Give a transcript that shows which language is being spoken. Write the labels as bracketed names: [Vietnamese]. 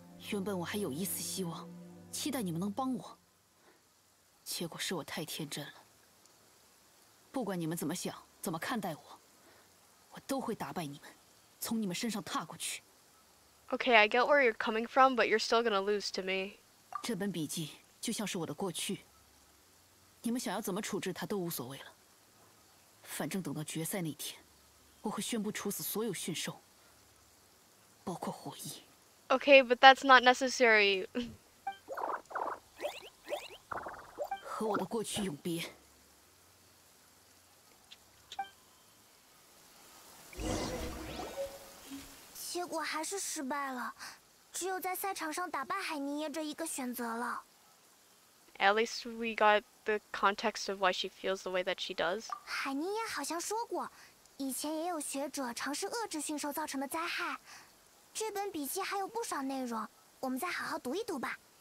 [Chinese] 原本我还有一丝希望，期待你们能帮我，结果是我太天真了。不管你们怎么想，怎么看待我，我都会打败你们，从你们身上踏过去。 [English] Okay, I get where you're coming from, but you're still gonna lose to me. [Chinese] 这本笔记就像是我的过去，你们想要怎么处置它都无所谓了。反正等到决赛那天，我会宣布处死所有驯兽，包括火翼。 [English] Okay, but that's not necessary. [Chinese] 和我的过去永别。结果还是失败了，只有在赛场上打败海尼耶这一个选择了。 [English] At least we got the context of why she feels the way that she does. [Chinese] 海尼耶好像说过，以前也有学者尝试遏制驯兽造成的灾害。这本笔记还有不少内容，我们再好好读一读吧。